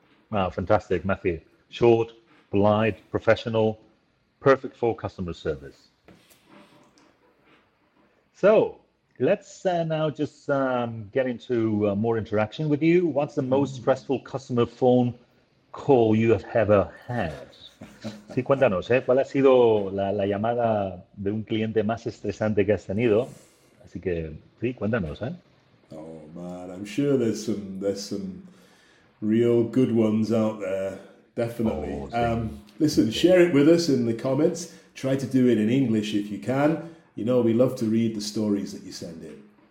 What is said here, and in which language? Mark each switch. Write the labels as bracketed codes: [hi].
[en] Wow, fantastic, Matthew. Short, polite, professional, perfect for customer service. So, let's now just get into more interaction with you. What's the most stressful customer phone call you have ever had? [es] Sí, cuéntanos, ¿cuál ha sido la llamada de un cliente más estresante que has tenido? Así que, sí, cuéntanos, [en] Oh, man, I'm sure there's some real good ones out there, definitely. [es] Oh, sí. [en] Listen, share it with us in the comments. Try to do it in English if you can. You know, we love to read the stories that you send in.